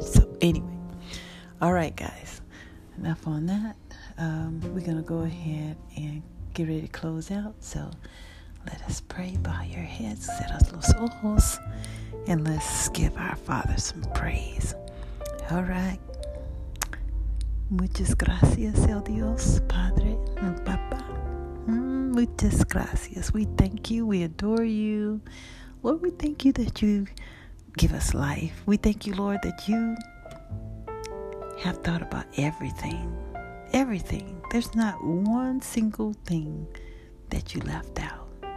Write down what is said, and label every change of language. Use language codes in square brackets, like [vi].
[en] So anyway, all right, guys, enough on that. We're going to go ahead and get ready to close out. So let us pray. Bow your heads, set us [es] los ojos, [en] and let's give our Father some praise. All right. [es] Muchas gracias, el Dios, Padre, Papa. Muchas gracias. [en] We thank you. We adore you. Lord, we thank you that you give us life. We thank you, Lord, that you have thought about everything. Everything. There's not one single thing that you left out.